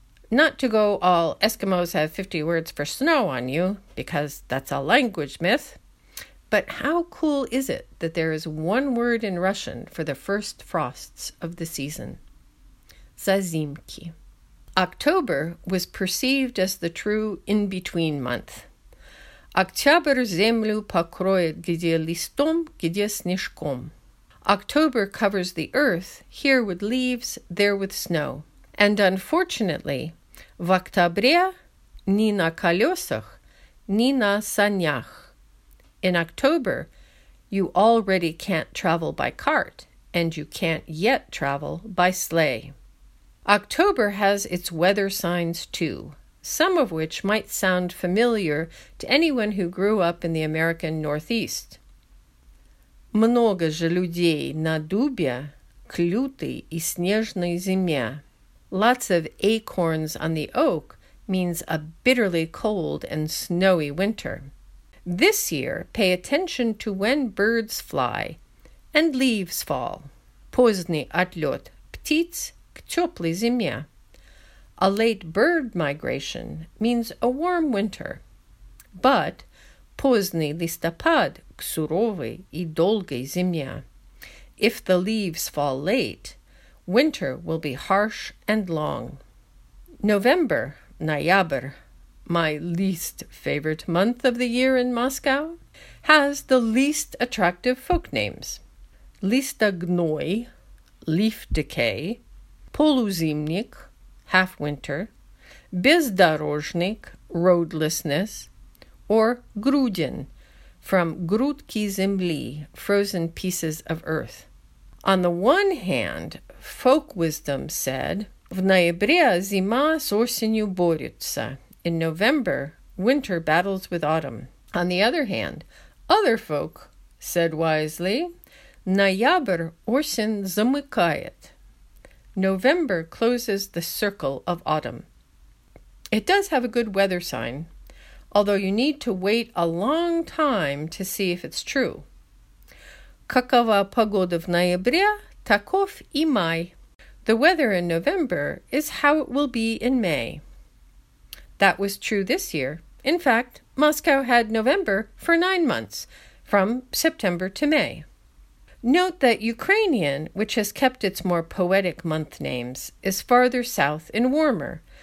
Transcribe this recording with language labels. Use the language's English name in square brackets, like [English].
[English] Not to go all Eskimos have 50 words for snow on you, because that's a language myth, but how cool is it that there is one word in Russian for the first frosts of the season? Zazimki. October was perceived as the true in-between month. [Russian] Октябрь землю покроет, где листом, где снежком. [English] October covers the earth, here with leaves, there with snow. And unfortunately, [Russian] в октябре ни на колесах, ни на санях. [English] In October, you already can't travel by cart, and you can't yet travel by sleigh. October has its weather signs too, some of which might sound familiar to anyone who grew up in the American Northeast. [Russian] Много же людей на дубе, к лютой и снежной зиме. [English] Lots of acorns on the oak means a bitterly cold and snowy winter. This year, pay attention to when birds fly and leaves fall. [Russian] Поздний отлет птиц к теплой зиме. [English] A late bird migration means a warm winter. [Russian] But поздний листопад к суровой и долгой зиме. [English] If the leaves fall late, winter will be harsh and long. November, ноябрь, my least favorite month of the year in Moscow, has the least attractive folk names. Листогной, leaf decay, полузимник, half winter, бездорожник, roadlessness, or груден, from [Russian] грудки земли, [English] frozen pieces of earth. On the one hand, folk wisdom said, [Russian] "В ноябре зима с осенью борется." [English] In November, winter battles with autumn. On the other hand, other folk said wisely, [Russian] "Ноябрь осень замыкает." [English] November closes the circle of autumn. It does have a good weather sign, although you need to wait a long time to see if it's true. [Russian] Какова погода в ноябре, таков и май. [English] The weather in November is how it will be in May. That was true this year. In fact, Moscow had November for 9 months, from September to May. Note that Ukrainian, which has kept its more poetic month names, is farther south and warmer.